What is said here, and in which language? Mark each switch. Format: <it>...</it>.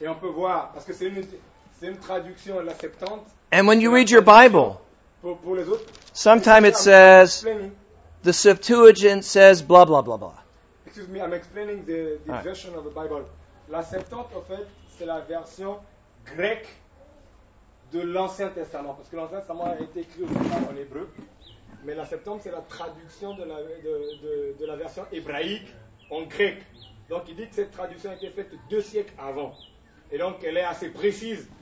<fr>Et on peut voir, parce que c'est une traduction, la Septante.</fr> <en>And when you read your Bible,</en> <fr>pour les autres,</fr> <en>sometimes it says, the Septuagint says blah, blah, blah, blah. Excuse me, I'm explaining the right. Version of the Bible.</en> <fr>La Septante, en fait, c'est la version grecque de l'Ancien Testament. Parce que l'Ancien Testament a été écrit en hébreu. Mais la Septante, c'est la traduction de la version hébraïque en grec. Donc, il dit que cette traduction a été faite deux siècles avant. Et donc, elle est assez précise.</fr>